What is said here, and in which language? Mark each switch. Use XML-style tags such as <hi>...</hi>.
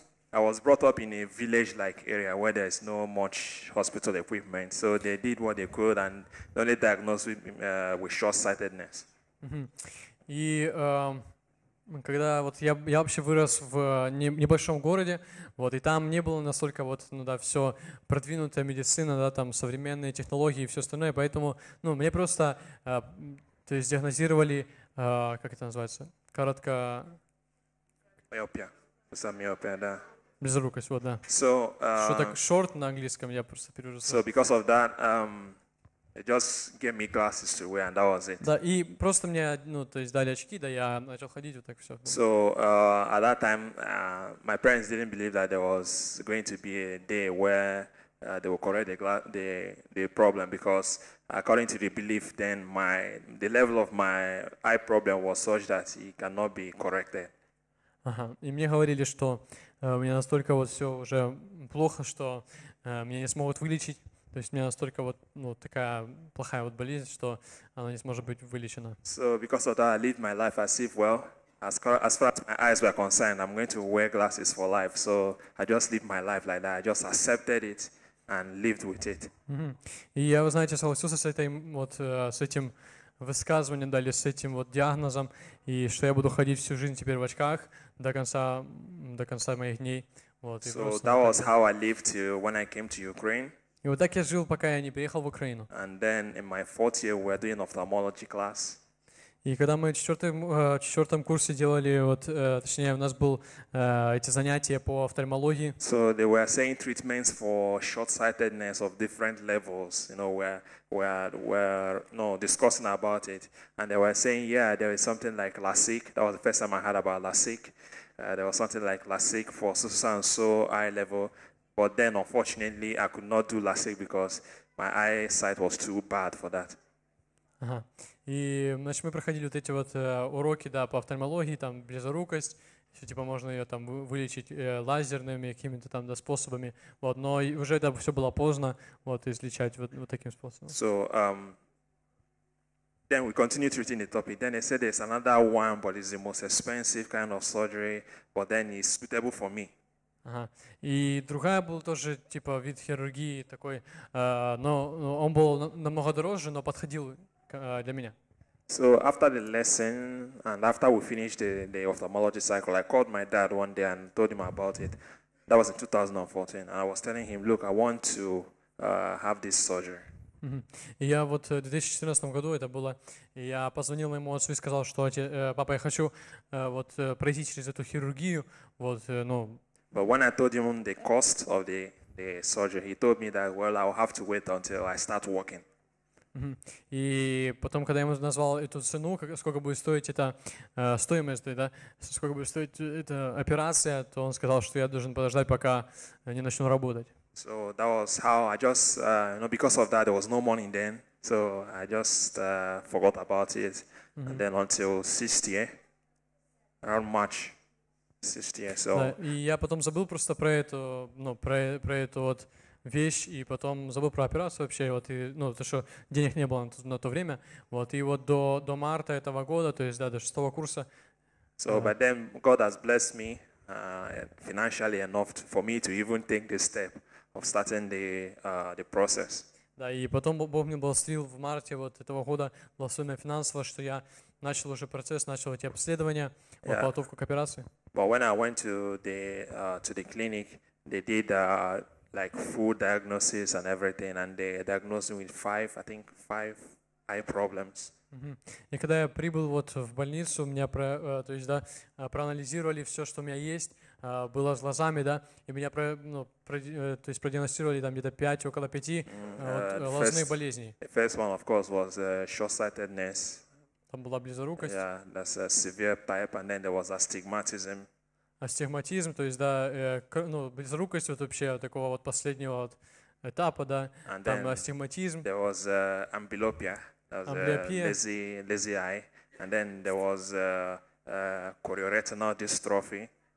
<en>I was brought up in a village-like area where there is no much hospital equipment, so they did what they could and the only diagnosed with short-sightedness.</en> <ru>И когда вот я вообще вырос в небольшом городе, вот, и там не было настолько вот, ну да, все продвинутая медицина, да, там современные технологии и все остальное, поэтому, ну, мне просто, то есть диагностировали, как это называется, коротко... Миопия. Просто миопия, да. Близорукость, вот, да.</ru> <en>So,</en> <ru>что так short на английском, я просто перевожу.</ru> <en>So, because of that, just gave me glasses to wear, and that was it.</en> <ru>Да, и просто мне, ну, то есть дали очки, да, я начал ходить вот так все.</ru> <en>So at that time, my parents didn't believe that there was going to be a day where they will correct the problem, because according to the belief, then the level of my eye problem was such that it cannot be corrected. Ага.</en> <ru>И мне говорили, что у меня настолько вот все уже плохо, что меня не смогут вылечить. То есть у меня настолько вот, ну, такая плохая вот болезнь, что она не сможет быть вылечена.</ru> <en>So because of that, I lived my life as if, well, as far as my eyes were concerned, I'm going to wear glasses for life. So I just lived my life like that. I just accepted it and lived with it. Mm-hmm.</en> <ru>И я, вы знаете, согласился с этим вот, с этим высказыванием, да, или с этим вот диагнозом, и что я буду ходить всю жизнь теперь в очках до конца моих дней. Вот,</ru> <en>so that was how I lived till when I came to Ukraine.</en> <ru>И вот так я жил, пока я не приехал в Украину.</ru> <en>And then in my fourth year we're doing ophthalmology class.</en> <ru>И когда мы в четвертом курсе делали, вот, точнее, у нас был эти занятия по офтальмологии.</ru> <en>So they were saying treatments for short-sightedness of different levels. You know, we're discussing about it, and they were saying, yeah, there is something like LASIK. That was the first time I heard about LASIK. There was something like LASIK for so-and-so eye level. But then, unfortunately, I could not do LASIK because my eyesight was too bad for that. Ага.</en> <ru>И, значит, мы проходили вот эти вот уроки, да, по офтальмологии, там, близорукость, все, типа, можно ее там вылечить лазерными какими-то там, да, способами, вот, но уже это все было поздно, вот, излечать вот, вот таким способом.</ru> <en>So, then we continued treating the topic. Then they said there's another one, but it's the most expensive kind of surgery, but then it's suitable for me. Ага.</en> <ru>И другая была тоже типа вид хирургии такой, но он был намного дороже, но подходил для меня.</ru> <en>So after the lesson and after we finished the ophthalmology cycle, I called my dad one day and told him about it. That was in 2014, and I was telling him, look, I want to have this surgery.</en> <ru>И я вот в 2014 году это было, я позвонил моему отцу и сказал, что папа, я хочу вот пройти через эту хирургию, вот, ну.</ru> <en>But when I told him the cost of the surgery, he told me that, well, I'll have to wait until I start working. Mm-hmm.</en> <ru>И потом, когда я ему назвал эту цену, сколько будет стоить эта стоимость, да, сколько будет стоить эта операция, то он сказал, что я должен подождать, пока не начну работать.</ru> <en>So that was how I just, you know, because of that, there was no money then. So I just forgot about it. Mm-hmm. And then until 60, around March.</en> <ru>Да, и я потом забыл просто про эту, ну, про эту вот вещь, и потом забыл про операцию вообще, вот, и, ну, то, что денег не было на то время, вот, и вот до марта этого года, то есть, да, до шестого курса.</ru> <en>So, but then God has blessed me financially enough for me to even take this step of starting the process.</en> <ru>Да, и потом Бог мне благословил в марте вот этого года, благословил меня финансово, что я начал уже процесс, начал эти обследования, вот, yeah, подготовку к операции.</ru> <en>But when I went to the clinic, they did like full diagnosis and everything, and they diagnosed me with five eye problems. Mm-hmm.</en> <ru>И когда я прибыл вот в больницу, меня то есть, да, проанализировали все, что у меня есть, было с глазами, да, и меня то есть продиагностировали там где-то около пяти глазных болезней.</ru> <en>The first one, of course, was short-sightedness.</en> <ru>Там была близорукость.</ru> <en>Yeah, that's a severe type, and then there was astigmatism.</en> <ru>Астигматизм, то есть, да, ну, близорукость вот вообще такого вот последнего вот этапа, да.</ru> <en>And</en> <ru>там астигматизм.</ru> <en>There was amblyopia. Amblyopia. Lazy eye. And then there was chorioretinal dystrophy.</en>